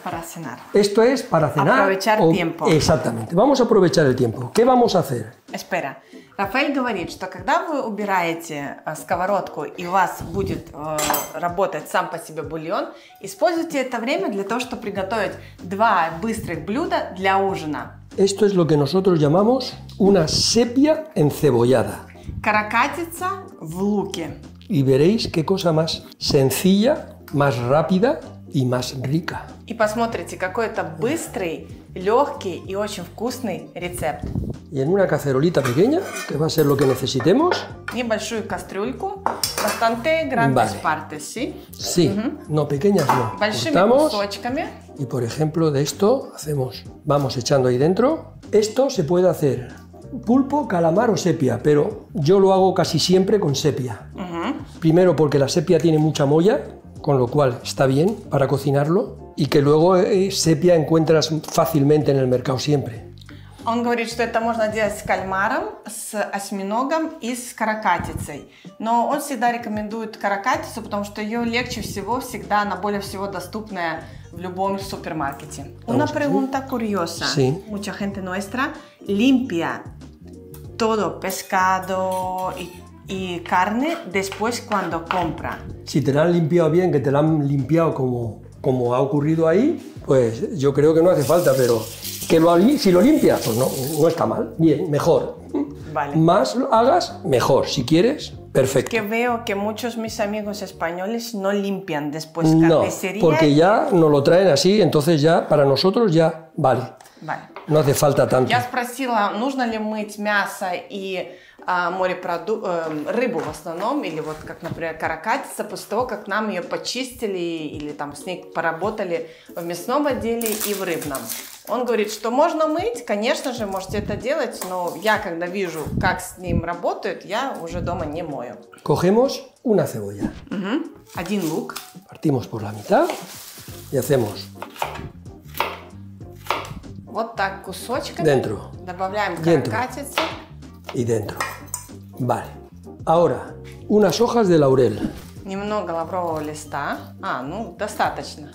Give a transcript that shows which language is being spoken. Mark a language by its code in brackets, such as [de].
[es] Para cenar. Esto es para cenar. Aprovechar o... tiempo. Exactamente. Vamos a aprovechar el tiempo. ¿Qué vamos a hacer? Espera. [ru] Рафаэль говорит, что когда вы убираете сковородку и у вас будет работать сам по себе бульон, используйте это время для того, чтобы приготовить два быстрых блюда для ужина. [es] Esto es lo que nosotros llamamos una sepia encebollada. [ru] Каракатица в луке. [es] Y veréis qué cosa más sencilla, más rápida y más rica. [ru] И посмотрите, какой это быстрый, легкий и очень вкусный рецепт. [es] Y en una cacerolita pequeña, que va a ser lo que necesitemos. [ru] Небольшую кастрюльку, [es] bastante grandes vale. partes, ¿sí? Sí, no, pequeñas no. [ru] Большими [es] Cortamos, [ru] кусочками. [es] Y por ejemplo, de esto hacemos, vamos echando ahí dentro. Esto se puede hacer pulpo, calamar o sepia, pero yo lo hago casi siempre con sepia. Primero porque la sepia tiene mucha molla, con lo cual está bien para cocinarlo y que luego sepia encuentras fácilmente en el mercado siempre. [ru] Он говорит, что это можно делать с кальмаром, с осьминогом и с каракатицей. Но он всегда рекомендует каракатицу, потому что ее легче всего всегда, она более всего доступная в любом супермаркете. [es] Una pregunta curiosa. Sí. Mucha gente nuestra limpia todo pescado y carne después cuando compra. Si te la han limpiado bien, que te la han limpiado como ha ocurrido ahí, pues yo creo que no hace falta, pero... Que si lo limpias, pues no está mal. Bien, mejor. Vale. Más hagas, mejor. Si quieres, perfecto. Es que veo que muchos de mis amigos españoles no limpian después carnicería. No, porque ya nos lo traen así, entonces ya para nosotros ya vale. Vale. No hace falta tanto. [ru] Я спросила, нужно ли мыть мясо и рыбу в основном, или вот как, например, каракатица, после того, как нам ее почистили или там с ней поработали в мясном отделе и в рыбном. Он говорит, что можно мыть, конечно же, можете это делать, но я, когда вижу, как с ним работают, я уже дома не мою. [es] Cogemos una cebolla. [ru] Один лук. [es] Partimos por la mitad y hacemos... [ru] Вот так кусочками. [es] Dentro. [ru] Добавляем каракатицу. [es] Y dentro. Vale. Ahora, unas hojas de laurel. [ru] Немного лаврового листа. Достаточно.